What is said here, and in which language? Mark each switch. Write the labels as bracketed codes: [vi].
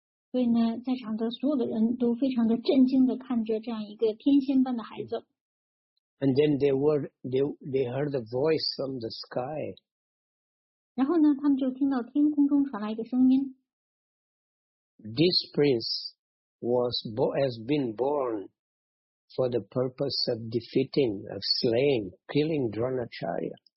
[zh] 所以呢，在场的所有的人都非常的震惊的看着这样一个天仙般的孩子。 [en] And then they heard a voice from the sky. [zh] 然后呢，他们就听到天空中传来一个声音。 [en] This prince has been born for the purpose of defeating, of slaying, killing Dronacharya.